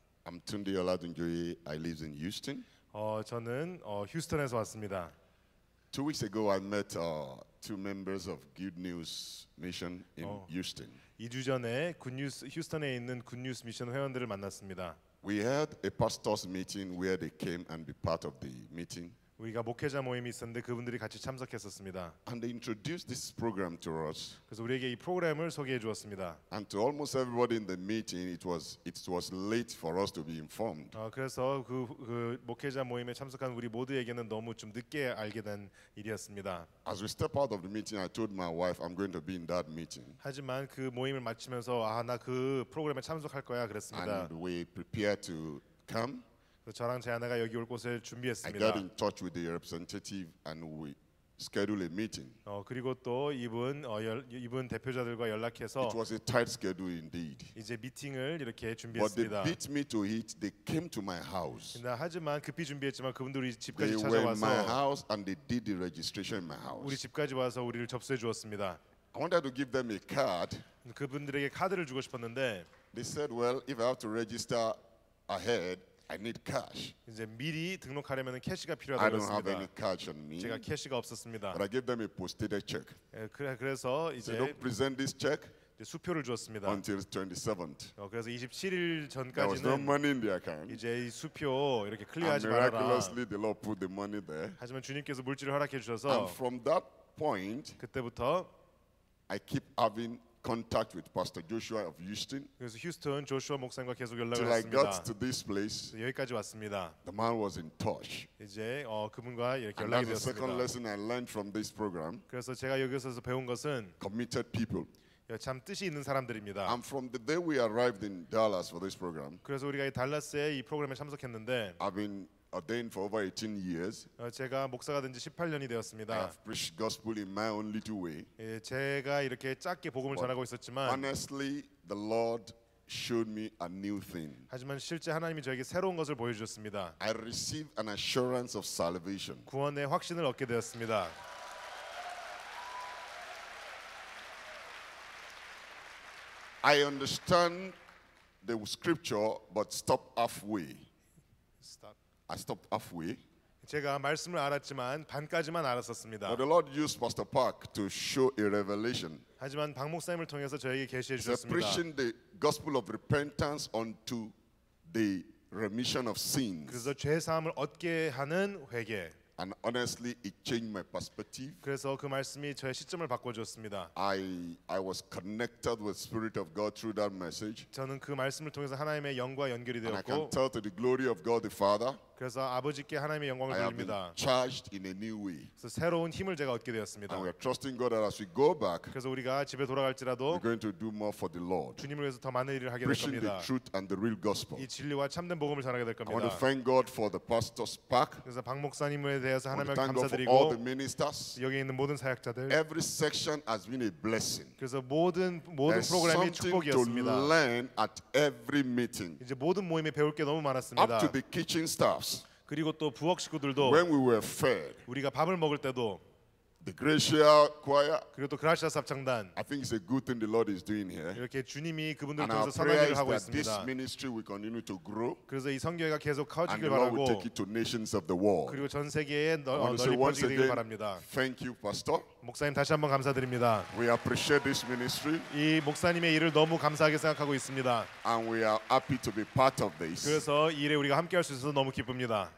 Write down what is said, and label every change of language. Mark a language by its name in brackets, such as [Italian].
[English] I'm Tunde Oladunjoye. I live in Houston. [Korean] 저는 휴스턴에서 왔습니다. [English] 2 weeks ago I met two members of Good News Mission in Houston. [Korean] 2주 전에 굿뉴스 휴스턴에 있는 굿뉴스 미션 회원들을 만났습니다. [English] We had a pastors meeting where they came and be part of the meeting. [Korean] 우리가 목회자 모임이 있었는데 그분들이 같이 참석했었습니다. [English] And they introduced this program to us. [Korean] 그래서 우리에게 이 프로그램을 소개해 주었습니다. [English] And to almost everybody in the meeting it was late for us to be informed. [Korean] 그래서 그 목회자 모임에 참석한 우리 모두에게는 너무 좀 늦게 알게 된 일이었습니다. [English] As we step out of the meeting I told my wife I'm going to be in that meeting. [Korean] 하지만 그 모임을 마치면서 아 나 그 프로그램에 참석할 거야 그랬습니다. [English] And we prepared to come. [Korean] 저랑 제 아내가 여기 올 곳을 준비했습니다. [English] I got in touch with the representative and we scheduled a meeting. [Korean] 그리고 또 이분 대표자들과 연락해서 [English] It was a tight schedule indeed. [Korean] 이제 미팅을 이렇게 준비했습니다. [English] But they beat me to it. They came to my house. [Korean] 하지만 급히 준비했지만 그분들이 집까지 [English] they [Korean] 찾아와서 [English] They went to my house and they did the registration in my house. [Korean] 우리 집까지 와서 우리를 접수해 주었습니다. [English] I wanted to give them a card. [Korean] 그분들에게 카드를 주고 싶었는데 [English] They said, well, if I have to register ahead I need cash. [Korean] 이제 미리 등록하려면은 캐시가 필요하다고 했습니다. [English] I don't have any cash on me. [Korean] 제가 캐시가 없었습니다. [English] But I gave them a postage check. [Korean] 그래서 이제 [English] So don't present this check. [Korean] 이제 수표를 주었습니다. [English] Until 27th. [Korean] 그래서 27일 전까지는 [English] There was no money in the account. [Korean] 이제 이 수표 이렇게 클리어하지 말아라. [English] Miraculously, the Lord put the money there. [Korean] 하지만 주님께서 물질을 허락해 주셔서 [English] And from that point [Korean] 그때부터 [English] I keep having contact with Pastor Joshua of Houston. [Korean] 그래서 휴스턴 조슈아 목사님과 계속 연락을 [English] till [Korean] 했습니다. [English] Till I got to this place. [Korean] 여기까지 왔습니다. [English] The man was in touch. [Korean] 이제 그분과 이렇게 연락이 되었습니다. [English] The second lesson I learned from this program. [Korean] 그래서 제가 여기서 배운 것은 [English] committed people. [Korean] 참 뜻이 있는 사람들입니다. [English] I'm from the day we arrived in Dallas for this program. [Korean] 그래서 우리가 이 달라스에 이 프로그램에 참석했는데 [English] I've been ordained for over 18 years. [Korean] 제가 목사가 된 지 18년이 되었습니다. [English] I've preached gospel in my own little way. [Korean] 제가 이렇게 작게 복음을 [English] But [Korean] 전하고 있었지만 [English] honestly the Lord showed me a new thing. [Korean] 하지만 실제 하나님이 저에게 새로운 것을 보여주셨습니다. [English] I received an assurance of salvation. [Korean] 구원의 확신을 얻게 되었습니다. [English] I understand the scripture, but stop halfway. Stop. I stopped halfway. [Korean] 제가 말씀을 알았지만 반까지만 알았었습니다. [English] But the Lord used Pastor Park to show a revelation. [Korean] 하지만 박 목사님을 통해서 저에게 계시해 주셨습니다. [English] He's preaching the gospel of repentance unto the remission of sins. [Korean] 그래서 죄 사함을 얻게 하는 회개. [English] And honestly, it changed my perspective. [Korean] 그래서 그 말씀이 저의 시점을 바꿔주었습니다. [English] I was connected with Spirit of God through that message. [Korean] 저는 그 말씀을 통해서 하나님의 영과 연결이 되었고, [English] and I can tell to the glory of God the Father. [Korean] 그래서 아버지께 하나님의 영광을 돌립니다. [English] I have been charged in a new way. [Korean] 그래서 새로운 힘을 제가 얻게 되었습니다. [English] And we are trusting God that as we go back, [Korean] 그래서 우리가 집에 돌아갈지라도, [English] we're going to do more for the Lord. [Korean] 주님을 위해서 더 많은 일을 하게 될 겁니다. [English] Preaching the truth and the real gospel. [Korean] 이 진리와 참된 복음을 전하게 될 겁니다. [English] I want to thank God for the pastor's pack. [Korean] 그래서 박 목사님에 대해서 하나님께 감사드리고, [English] I want to thank God for all the ministers. [Korean] 여기 있는 모든 사역자들, [English] every section has been a blessing. [Korean] 그래서 모든 프로그램이 축복이었습니다. [English] To learn at every meeting. [Korean] 이제 모든 모임에 배울 게 너무 많았습니다. [English] Up to the kitchen staff. [Korean] 그리고 또 부엌 식구들도 [English] When we were fed, [Korean] 우리가 밥을 먹을 때도 [English] the Gracia choir, [Korean] 그리고 또 그라시아 삽창단 [English] I think it's a good thing the Lord is doing here. [Korean] 이렇게 주님이 그분들 통해서 선한 일을 하고 있습니다. [English] This ministry will continue to grow, [Korean] 그래서 이 성교회가 계속 커지길 바라고 [English] And the Lord will take it to nations of the world. [Korean] 그리고 전 세계에 널리 퍼지길 바랍니다. [English] Thank you, Pastor. [Korean] 목사님 다시 한번 감사드립니다. [English] We appreciate this ministry. [Korean] 이 목사님의 일을 너무 감사하게 생각하고 있습니다. [English] And we are happy to be part of this. [Korean] 그래서 이 일에 우리가 함께할 수 있어서 너무 기쁩니다.